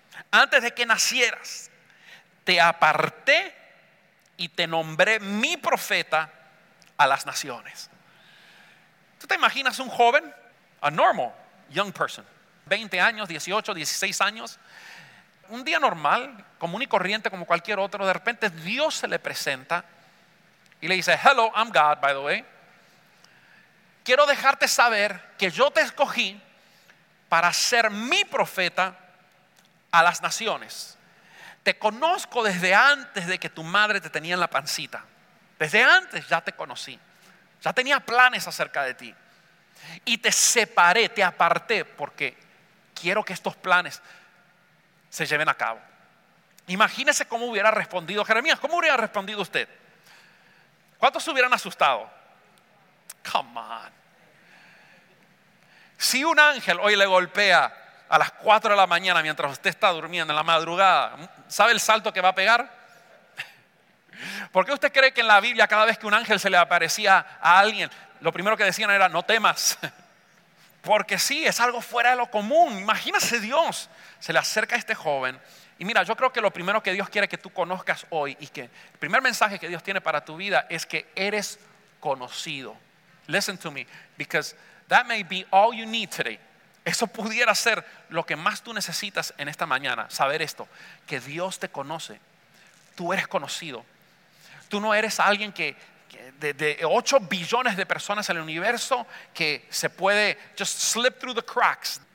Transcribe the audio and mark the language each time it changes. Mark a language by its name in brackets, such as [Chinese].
[Spanish] Antes de que nacieras, te aparté y te nombré mi profeta a las naciones. ¿Tú te imaginas un joven? [English] A normal young person. [Spanish] 20 años, 18, 16 años. Un día normal, común y corriente como cualquier otro. De repente Dios se le presenta Y le dice, [English] hello, I'm God, by the way. [Spanish] Quiero dejarte saber que yo te escogí para ser mi profeta a las naciones. Te conozco desde antes de que tu madre te tenía en la pancita. Desde antes ya te conocí. Ya tenía planes acerca de ti. Y te separé, te aparté, porque quiero que estos planes se lleven a cabo. Imagínese cómo hubiera respondido Jeremías. ¿Cómo hubiera respondido usted? ¿Cuántos se hubieran asustado? [English] Come on. [Spanish] Si un ángel hoy le golpea a las 4 de la mañana mientras usted está durmiendo en la madrugada, ¿sabe el salto que va a pegar? ¿Por qué usted cree que en la Biblia cada vez que un ángel se le aparecía a alguien, lo primero que decían era no temas? Porque sí, es algo fuera de lo común. Imagínese Dios, se le acerca a este joven. Y mira, yo creo que lo primero que Dios quiere que tú conozcas hoy y que el primer mensaje que Dios tiene para tu vida es que eres conocido. [English] Listen to me, because that may be all you need today. [Spanish] Eso pudiera ser lo que más tú necesitas en esta mañana, saber esto, que Dios te conoce. Tú eres conocido. Tú no eres alguien que de 8 billones de personas en el universo que se puede [English] just slip through the cracks.